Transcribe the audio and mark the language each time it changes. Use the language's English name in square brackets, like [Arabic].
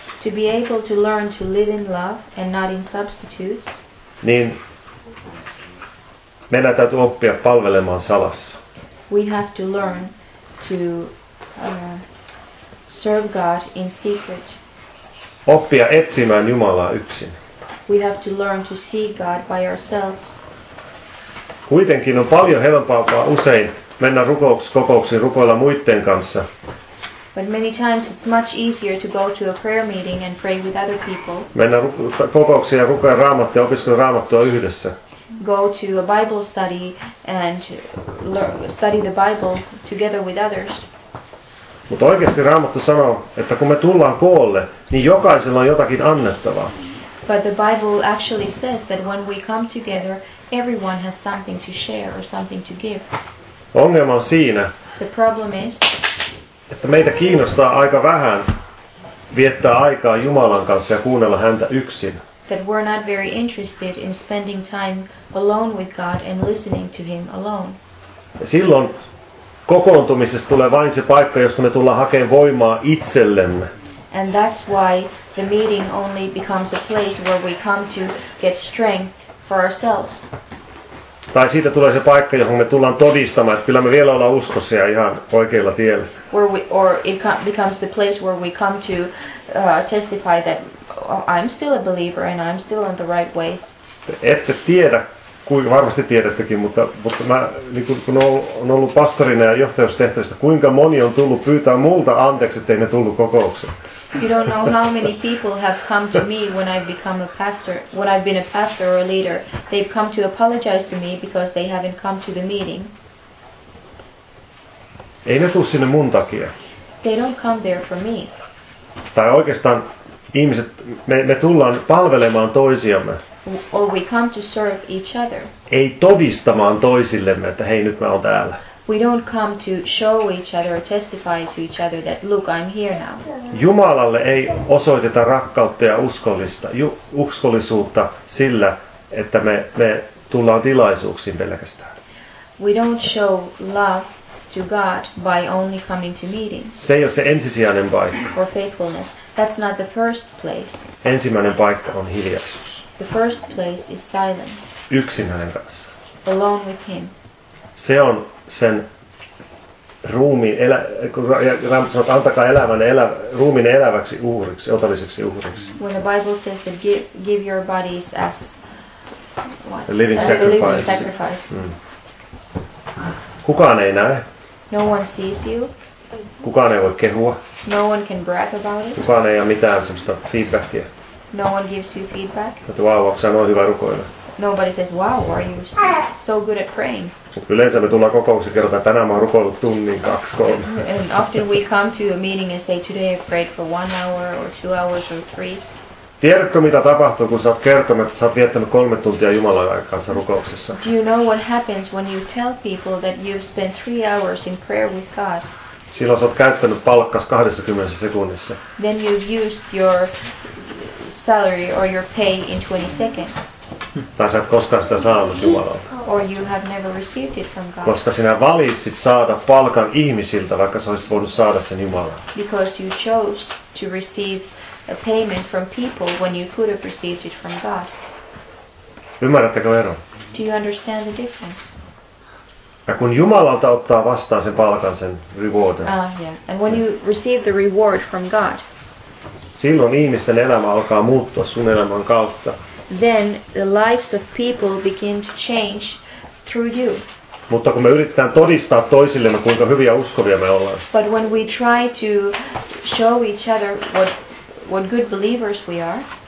[English] To be able to learn to live in love and not in substitutes. [Finnish] Niin meidän täytyy oppia palvelemaan salassa. [English] We have to learn to serve God in secret. [Finnish] Oppia etsimään Jumalaa yksin. [English] We have to learn to see God by ourselves. [Finnish] Kuitenkin on paljon helpompaa usein mennä rukouksiin rukoilla muiden kanssa. [English] But many times it's much easier to go to a prayer meeting and pray with other people. [Finnish] Mennä kokouksia ja rukoa raamattua ja opiskella raamattua yhdessä. [English] Go to a Bible study and study the Bible together with others. [Finnish] Mutta oikeasti raamattu sanoo, että kun me tullaan koolle, niin jokaisella on jotakin annettavaa. [English] But the Bible actually says that when we come together, everyone has something to share or something to give. [Finnish] Ongelma on siinä. [English] The problem is, [Finnish] että meitä kiinnostaa aika vähän viettää aikaa Jumalan kanssa ja kuunnella häntä yksin. [English] That we're not very interested in spending time alone with God and listening to him alone. [Finnish] Silloin kokoontumisesta tulee vain se paikka, josta me tullaan hakemaan voimaa itsellemme. [English] And that's why the meeting only becomes a place where we come to get strength for ourselves. [Finnish] Tai siitä tulee se paikka, johon me tullaan todistamaan, että kyllä me vielä ollaan uskossa ja ihan oikealla tiellä. [English] Or it becomes the place where we come to testify that I'm still a believer and I'm still on the right way. [Finnish] Ette tiedä, kuinka varmasti tiedättekin, mutta mä, niin kun on ollut pastorina ja johtajuustehtävissä, kuinka moni on tullut pyytää multa anteeksi, ettei ne tullut kokoukseen. [English] You don't know how many people have come to me when I've become a pastor, when I've been a pastor or a leader. They've come to apologize to me because they haven't come to the meeting. [Finnish] Ei ne tule sinne mun takia. [English] They don't come there for me. [Finnish] Tai oikeastaan ihmiset, me tullaan palvelemaan toisiamme. [English] Or we come to serve each other. [Finnish] Ei todistamaan toisillemme, että hei, nyt mä oon täällä. [English] We don't come to show each other or testify to each other that look, I'm here now. [Finnish] Jumalalle ei osoiteta rakkautta ja uskollisuutta sillä, että me tullaan tilaisuuksiin pelkästään. [English] We don't show love to God by only coming to meetings. [Finnish] Se ei ole se ensisijainen paikka. [English] Or faithfulness. That's not the first place. [Finnish] Ensimmäinen paikka on hiljaisuus. [English] The first place is silence. [Finnish] Yksin hänen kanssa. [English] Alone with him. [Finnish] Se on sen ruumiin Raamattu sanoo, että antakaa ruumiin eläväksi uhriksi, otolliseksi uhriksi. [English] When the Bible says that give your bodies as a living sacrifice. [Finnish] Kukaan ei näe. [English] No one sees you. [Finnish] Kukaan ei voi kehua. [English] No one can brag about it. [Finnish] Kukaan ei ole mitään semmoista feedbackia. [English] No one gives you feedback. [Finnish] Että vau, onko sä noin hyvä rukoilla. [English] nobody says, wow, are you so good at praying? [Finnish] Yleensä me tullaan kokouksen kertaan, että tänään mä oon rukoillut tunnin, kaksi, kolme. [English] And often we come to a meeting and say, today I've prayed for 1 hour or 2 hours or 3. [Finnish] Tiedätkö mitä tapahtuu, kun sä oot kertonut, että sä oot viettänyt 3 tuntia Jumalan kanssa rukouksessa? [English] Do you know what happens when you tell people that you've spent 3 hours in prayer with God? [Finnish] Silloin sä oot käyttänyt palkkas 20 sekunnissa. [English] Then you've used your salary or your pay in 20 seconds. [Finnish] Tai sä et koskaan sitä saanut Jumalalta. [English] Or you have never received it from God. [Finnish] Koska sinä valitsit saada palkan ihmisiltä, vaikka sä olisit voinut saada sen Jumalalta. [English] Because you chose to receive a payment from people when you could have received it from God. [Finnish] Ymmärrättekö eron? [English] Do you understand the difference? [Finnish] Ja kun Jumalalta ottaa vastaan sen palkan, sen rewardin. [English] Ah, yeah. And when you receive the reward from God. [Finnish] Silloin ihmisten elämä alkaa muuttua sun elämän kautta. [English] Then the lives of people begin to change through you. [Finnish] Mutta kun me yritetään todistaa toisillemme, kuinka hyviä uskovia me ollaan. [English] But when we try to show each other what good believers we are.